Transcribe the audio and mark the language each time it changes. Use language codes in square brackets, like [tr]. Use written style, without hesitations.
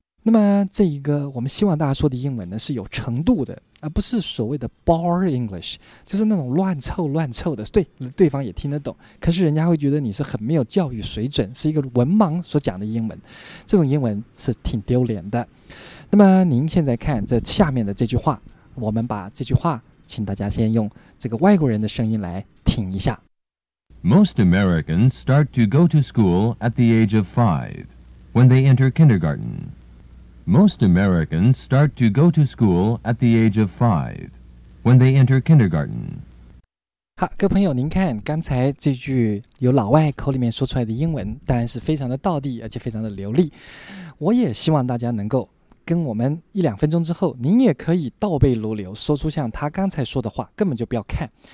[zh] 那么这一个我们希望大家说的英文呢是有程度的，而不是所谓的 bar English， 就是那种乱凑乱凑的，对，对方也听得懂，可是人家会觉得你是很没有教育水准，是一个文盲所讲的英文，这种英文是挺丢脸的。那么您现在看这下面的这句话，我们把这句话请大家先用这个外国人的声音来听一下。 [en] Most Americans start to go to school at the age of 5 when they enter kindergarten. Most Americans start to go to school at the age of 5 when they enter kindergarten. [zh] 好，各位朋友，您看刚才这句由老外口里面说出来的英文，当然是非常的道地，而且非常的流利。我也希望大家能够跟我们一两分钟之后，您也可以倒背如流，说出像他刚才说的话，根本就不要看。